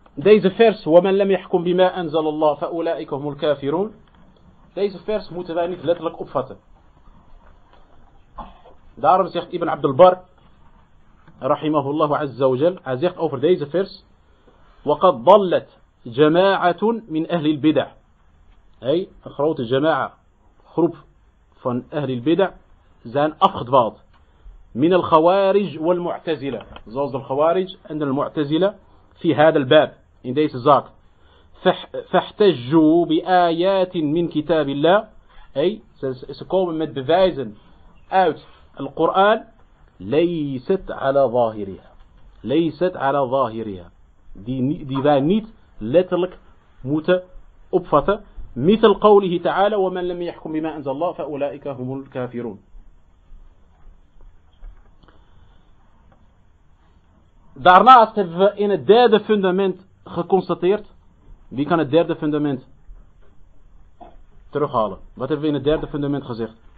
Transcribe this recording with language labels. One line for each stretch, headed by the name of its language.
Dutch: deze vers,
Arabic: وَمَنْ لَمْ يَحْكُمْ بِمَا أَنْزَلَ اللَّهُ فَأُولَٰئِكَ هُمُ الْكَافِرُونَ.
Dutch: Deze vers moeten wij niet letterlijk opvatten. Daarom zegt Ibn Abd al-Barr, rahimahullah azza wa jal, hij zegt over deze vers,
Arabic: وَقَدْ ضَلَّتْ جَمَاعَةٌ مِنْ أَهْلِ الْبِدَعِ.
Dutch: Hey, een grote jama'a, groep van Ahli al-Bid'ah, zijn afgedwaald.
Arabic: Min al-Khawarij wal-Mu'tazila.
Dutch: Zoals de Khawarij en de Mu'tazila.
Arabic: Fi hada al-bab,
Dutch: in deze zaak.
Arabic: Fahtajju bi ayatin min kitabillah.
Dutch: Hey, ze komen met bewijzen uit al-Quran.
Arabic: Leyset ala zahiriha. Leyset ala zahiriha.
Dutch: Die wij niet letterlijk moeten opvatten.
Arabic: مثل قوله تعالى ومن لم يحكم بما أنزل الله فأولئك هم الكافرون.
Dutch: Daarnaast hebben we in het derde fundament geconstateerd. Wie kan het derde fundament terughalen? Wat hebben we in het derde fundament gezegd?